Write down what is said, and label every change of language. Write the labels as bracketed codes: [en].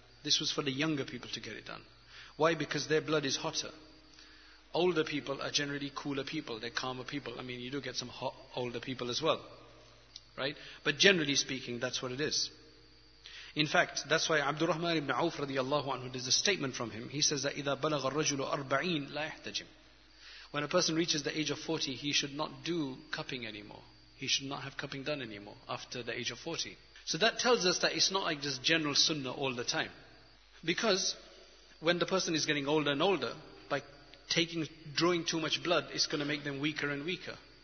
[en] This was for the younger people to get it done. Why? Because their blood is hotter. Older people are generally cooler people. They're calmer people. I mean, you do get some hot older people as well. Right? But generally speaking, that's what it is. In fact, that's why Abdurrahman ibn Auf radiallahu anhu, there's a statement from him. He says that [ar] إِذَا بَلَغَ الرَّجُلُ أَرْبَعِينَ لَا يَحْتَجِمْ. [en] When a person reaches the age of 40, he should not do cupping anymore. He should not have cupping done anymore after the age of 40. So that tells us that it's not like just general sunnah all the time. Because when the person is getting older and older, by drawing too much blood, it's going to make them weaker and weaker.